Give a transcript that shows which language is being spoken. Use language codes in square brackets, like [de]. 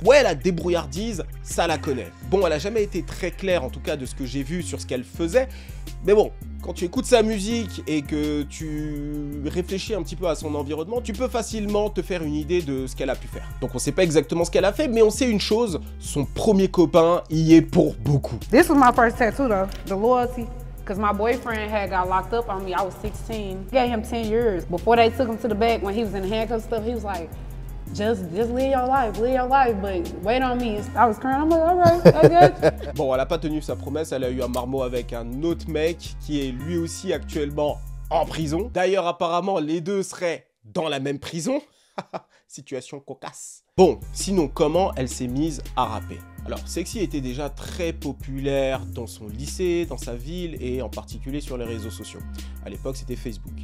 [fr] Ouais, la débrouillardise, ça la connaît. Bon, elle a jamais été très claire en tout cas de ce que j'ai vu sur ce qu'elle faisait, mais bon, quand tu écoutes sa musique et que tu réfléchis un petit peu à son environnement, tu peux facilement te faire une idée de ce qu'elle a pu faire. Donc on sait pas exactement ce qu'elle a fait, mais on sait une chose, son premier copain y est pour beaucoup. [en] This was my first tattoo though, the loyalty. Cause my boyfriend had got locked up on me, I was 16. I gave him 10 years. Before they took him to the back when he was in the handcuffs and stuff, he was like, Just live your life, but wait on me. I was crying, I'm like, all right, I got you. [fr] Bon, elle a pas tenu sa promesse, elle a eu un marmot avec un autre mec qui est lui aussi actuellement en prison. D'ailleurs, apparemment, les deux seraient dans la même prison. Situation cocasse. Bon, sinon, comment elle s'est mise à rapper? Alors, Sexy était déjà très populaire dans son lycée, dans sa ville et en particulier sur les réseaux sociaux. À l'époque, c'était Facebook.